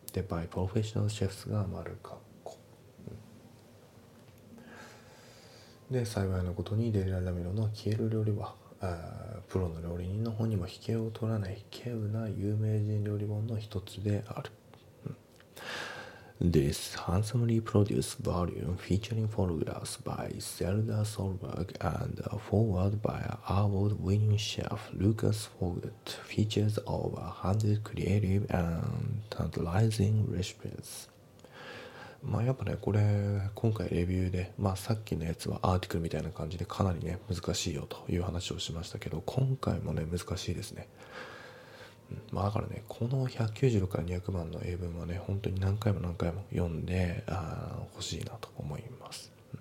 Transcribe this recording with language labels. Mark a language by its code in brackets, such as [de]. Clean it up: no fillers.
[ja] で、 [en] by professional chefs [ja] が丸括弧。で、幸いなことに、デリラ・ラミロの消える料理は、プロの料理人の本にも引けを取らない、稀有な有名人料理本の一つである。 [en] This handsomely produced volume featuring photographs by Zelda Solberg and a foreword by award-winning chef Lucas Foggett features over 100 creative and tantalizing recipes. [ja] まあやっぱね、これ今回レビューで、まあさっきのやつはアーティクルみたいな感じでかなりね難しいよという話をしましたけど、今回もね難しいですね。まあ、だからね、この196から200番の英文はね、本当に何回も何回も読んで欲しいなと思います。